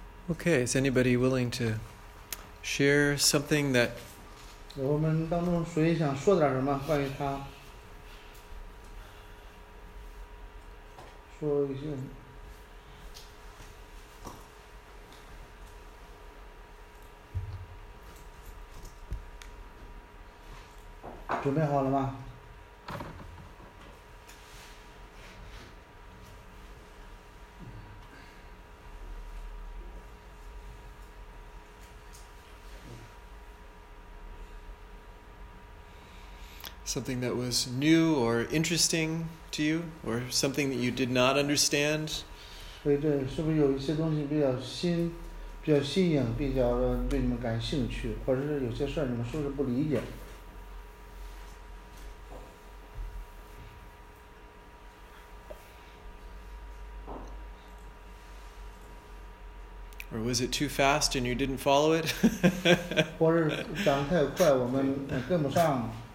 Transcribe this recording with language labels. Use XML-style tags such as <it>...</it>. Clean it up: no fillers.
<en>Okay, is anybody willing to share something that...</en> <zh>我们当中谁想说点什么, 关于他? 说一些... ...准备好了吗?</zh> <en>Something that was new or interesting to you, or something that you did not understand?</en> <zh>对，是不是有一些东西比较新、比较新颖、比较对你们感兴趣，或者是有些事儿你们是不是不理解？</zh> <en>Or was it too fast and you didn't follow it?</en> <zh>或者讲太快，我们跟不上。</zh>